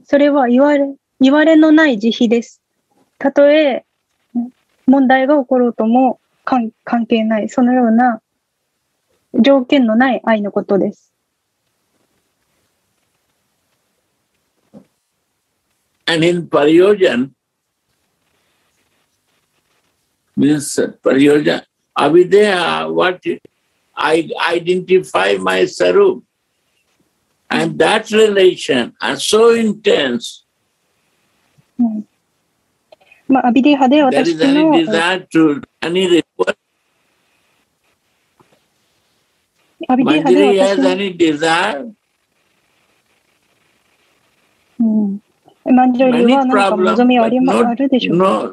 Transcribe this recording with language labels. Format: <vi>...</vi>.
<ja>それは言われのない慈悲です。たとえ問題が起ころうとも関係ない、そのような条件のない愛のことです。</ja> <en>And in Pariyojan, means Pariyojan, Avideha, what I identify my sarup, and that relation is so intense.</en> <ja>まあ、アビデハで私のマンジュリは何か望みはありますあるでしょうか。</ja>